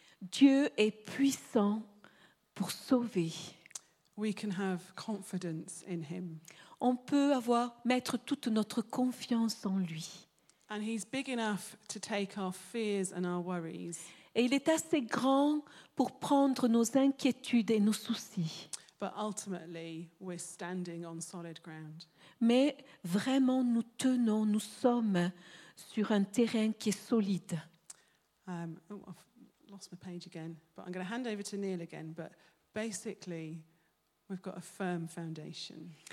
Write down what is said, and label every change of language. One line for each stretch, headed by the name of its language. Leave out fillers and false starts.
French: Dieu est puissant pour sauver.
English: We can have confidence in him.
French: On peut avoir mettre toute notre confiance en lui.
English: And he's big enough to take our fears and our worries.
French: Et il est assez grand pour prendre nos inquiétudes et nos soucis.
English: But ultimately, we're standing on solid ground.
French: Mais vraiment, nous tenons, nous sommes sur un terrain qui est solide.
English: I've lost my page again, but I'm going to hand over to Neil again. But basically, we've got a firm foundation.